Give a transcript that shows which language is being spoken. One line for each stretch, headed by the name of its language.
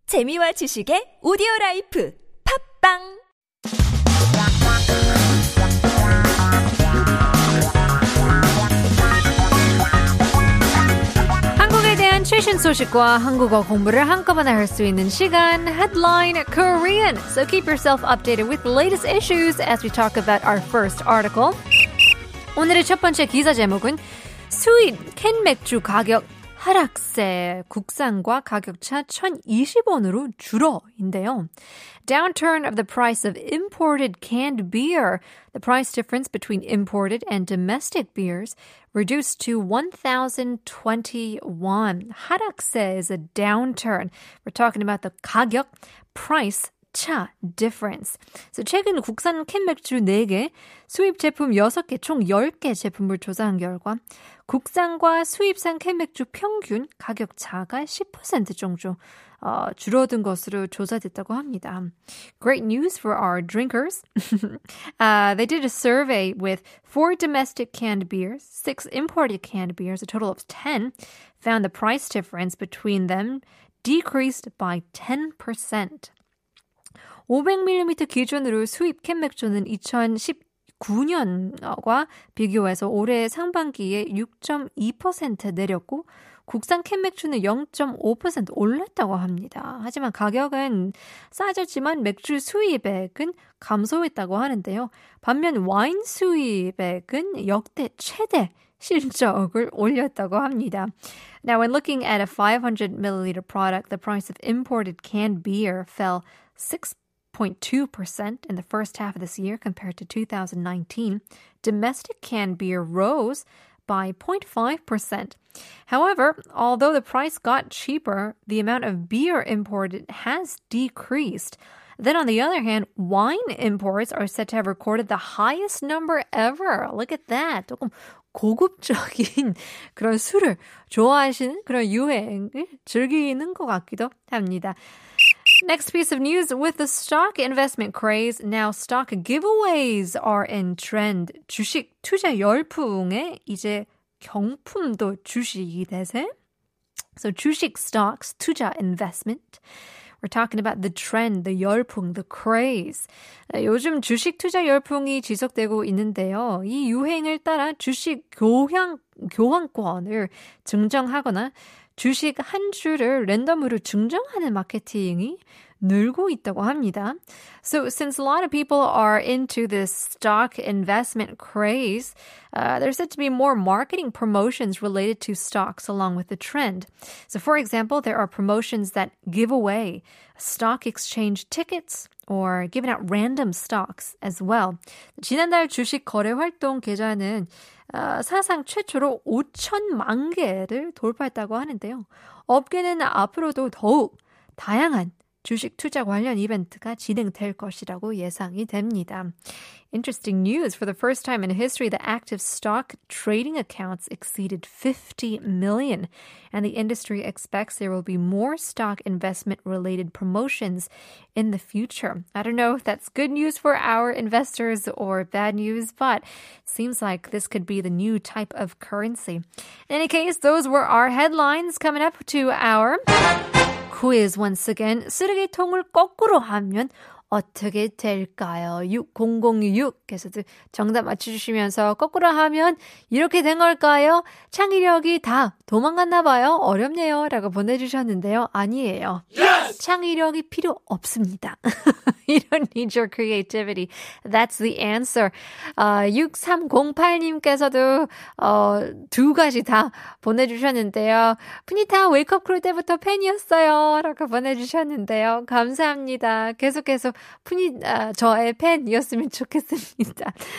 Korean: 재미와 지식의 오디오 라이프. 팟빵! 최신 소식과 한국어 공부를 한꺼번에 할 수 있는 시간 Headline Korean.
English: So keep yourself updated with the latest issues as we talk about our first article.
Korean: 오늘의 첫 번째 기사 제목은 스윗 캔 맥주 가격 하락세 국산과 가격차 1,020원으로 줄어인데요.
English: Downturn of the price of imported canned beer. The price difference between imported and domestic beers reduced to 1,021. 하락세 is a downturn. We're talking about the 가격, price, 차, difference.
Korean: So 최근 국산 캔맥주 4개, 수입 제품 6개, 총 10개 제품을 조사한 결과 국산과 수입산 캔맥주 평균 가격 차가 10% 정도 줄어든 것으로 조사됐다고 합니다.
English: Great news for our drinkers. They did a survey with 4 domestic canned beers, 6 imported canned beers, a total of 10, found the price difference between them decreased by 10%.
Korean: 500ml 기준으로 수입 캔맥주는 2019년과 비교해서 올해 상반기에 6.2% 내렸고 국산 캔맥주는 0.5% 올랐다고 합니다. 하지만 가격은 싸졌지만 맥주 수입액은 감소했다고 하는데요. 반면 와인 수입액은 역대 최대 실적을 올렸다고 합니다.
English: Now, when looking at a 500ml product, the price of imported canned beer fell 6.2% in the first half of this year compared to 2019. Domestic canned beer rose by 0.5%. However, although the price got cheaper, the amount of beer imported has decreased. Then on the other hand, wine imports are said to have recorded the highest number ever. Look at that.
Korean: 조금 고급적인 그런 술을 좋아하시는 그런 유행을 즐기는 것 같기도 합니다.
English: Next piece of news, with the stock investment craze, now stock giveaways are in trend.
Korean: 주식 투자 열풍에 이제 경품도 주식이 되세.
English: So 주식 stocks, 투자 investment. We're talking about the trend, the 열풍, the craze.
Korean: 요즘 주식 투자 열풍이 지속되고 있는데요. 이 유행을 따라 주식 교환권을 증정하거나 주식 한 주를 랜덤으로 증정하는 마케팅이 늘고 있다고 합니다.
English: So since a lot of people are into this stock investment craze, there's said to be more marketing promotions related to stocks along with the trend. So for example, there are promotions that give away stock exchange tickets or giving out random stocks as well.
Korean: 지난달 주식 거래 활동 계좌는 사상 최초로 5천만 개를 돌파했다고 하는데요. 업계는 앞으로도 더욱 다양한 주식 투자 관련 이벤트가 진행될 것이라고 예상이 됩니다.
English: Interesting news. For the first time in history, the active stock trading accounts exceeded 50 million. And the industry expects there will be more stock investment related promotions in the future. I don't know if that's good news for our investors or bad news, but seems like this could be the new type of currency. In any case, those were our headlines coming up to our... quiz once again.
Korean: 쓰레기통을 거꾸로 하면 어떻게 될까요? 6006께서도 정답 맞춰주시면서 거꾸로 하면 이렇게 된 걸까요? 창의력이 다 도망갔나 봐요. 어렵네요. 라고 보내주셨는데요. 아니에요.
English: Yes!
Korean: 창의력이 필요 없습니다.
English: You don't need your creativity. That's the answer.
Korean: 6308님께서도 두 가지 다 보내주셨는데요. 푸니타 웨이크업 크루 때부터 팬이었어요. 라고 보내주셨는데요. 감사합니다. 계속해서 푸니 저의 팬이었으면 좋겠습니다.